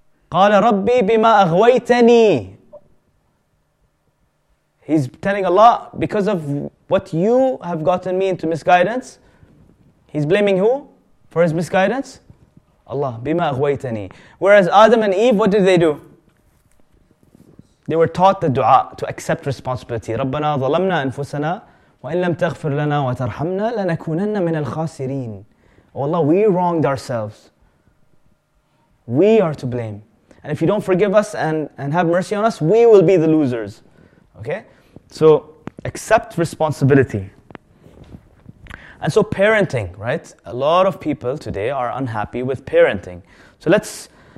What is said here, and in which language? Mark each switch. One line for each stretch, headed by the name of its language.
Arabic: قَالَ رَبِّي بِمَا أَغْوَيْتَنِي
English: He's telling Allah, because of what you have gotten me into misguidance, he's blaming who for his misguidance? Allah,
Arabic: بِمَا أَغْوَيْتَنِي
English: Whereas Adam and Eve, what did they do? They were taught the dua to accept responsibility.
Arabic: رَبَّنَا ظَلَمْنَا أَنفُسَنَا وَإِنْ لَمْ تَغْفِرْ لَنَا وَتَرْحَمْنَا لَنَكُونَنَّ مِنَ الْخَاسِرِينَ
English: Oh Allah, we wronged ourselves. We are to blame. And if you don't forgive us and have mercy on us, we will be the losers. Okay? So, accept responsibility. And so, parenting, right? A lot of people today are unhappy with parenting. So, let's